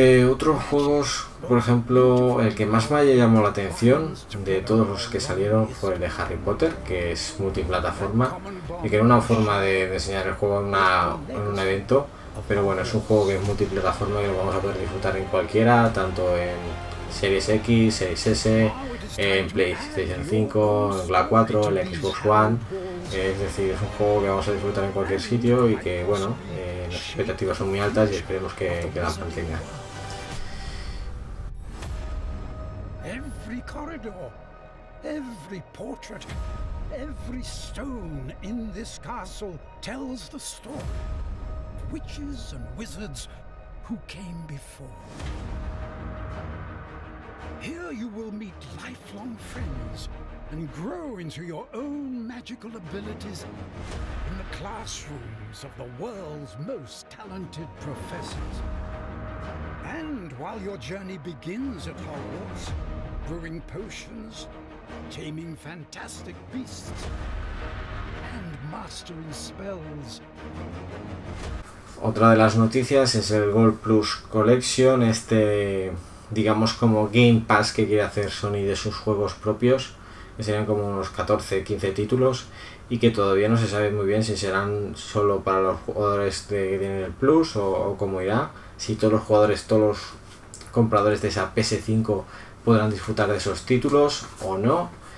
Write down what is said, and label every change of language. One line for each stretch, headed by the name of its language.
Spanish: Otros juegos, por ejemplo, el que más me llamó la atención de todos los que salieron fue el de Harry Potter, que es multiplataforma y que era una forma de enseñar el juego en un evento, pero bueno, es un juego que es multiplataforma y lo vamos a poder disfrutar en cualquiera, tanto en Series X, Series S, en PlayStation 5, en la 4, en la Xbox One. Es decir, es un juego que vamos a disfrutar en cualquier sitio y que bueno, las expectativas son muy altas y esperemos que la mantenga.
English: Every corridor, every portrait, every stone in this castle tells the story. Witches and wizards who came before. Here you will meet lifelong friends and grow into your own magical abilities in the classrooms of the world's most talented professors. And while your journey begins at Hogwarts, brewing potions, taming fantastic beasts, and mastering spells.
Spanish: Otra de las noticias es el Gold Plus Collection, digamos como Game Pass que quiere hacer Sony de sus juegos propios, serían como unos 14-15 títulos y que todavía no se sabe muy bien si serán solo para los jugadores que tienen el Plus o cómo irá, si todos los jugadores, todos los compradores de esa PS5 podrán disfrutar de esos títulos o no.